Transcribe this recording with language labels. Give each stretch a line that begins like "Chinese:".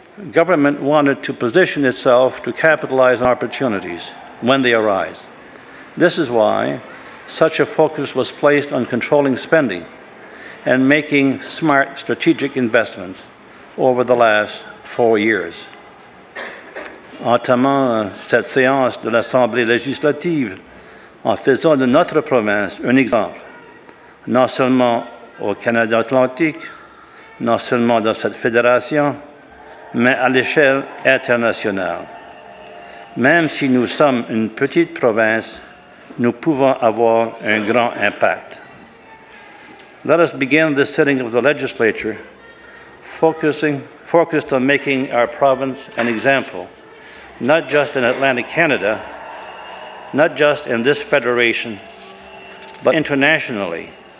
English: Government wanted to position itself to capitalize on opportunities when they arise. This is why such a focus was placed on controlling spending and making smart strategic investments over the last 4 years.
French: Entamant cette séance de l'Assemblée législative en faisant de notre province un exemple, non seulement au Canada Atlantique, non seulement dans cette fédération, mais à l'échelle internationale. Même si nous sommes une petite province, nous pouvons avoir un grand impact.
English: Let us begin the sitting of the legislature focused on making our province an example, not just in Atlantic Canada, not just in this federation, but internationally.